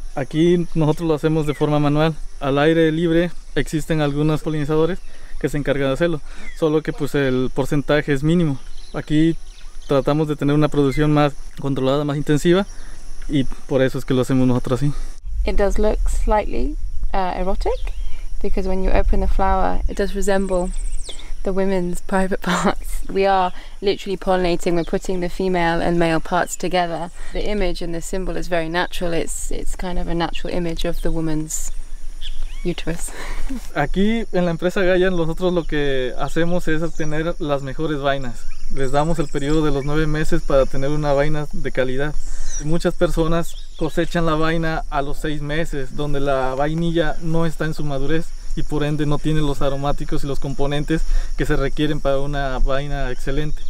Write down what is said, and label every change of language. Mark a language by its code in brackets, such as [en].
[es] Aquí nosotros lo hacemos de forma manual. Al aire libre existen algunos polinizadores que se encargan de hacerlo, solo que pues el porcentaje es mínimo. Aquí tratamos de tener una producción más controlada, más intensiva, y por eso es que lo hacemos nosotros así. [en] It does look slightly erotic because when you open the flower, it does resemble the women's private parts. We are literally pollinating. We're putting the female and male parts together. The image and the symbol is very natural. It's kind of a natural image of the woman's uterus. [es] Aquí en la empresa Gaia nosotros lo que hacemos es obtener las mejores vainas. Les damos el periodo de los 9 meses para tener una vaina de calidad. Muchas personas cosechan la vaina a los 6 meses, donde la vainilla no está en su madurez y por ende no tiene los aromáticos y los componentes que se requieren para una vaina excelente.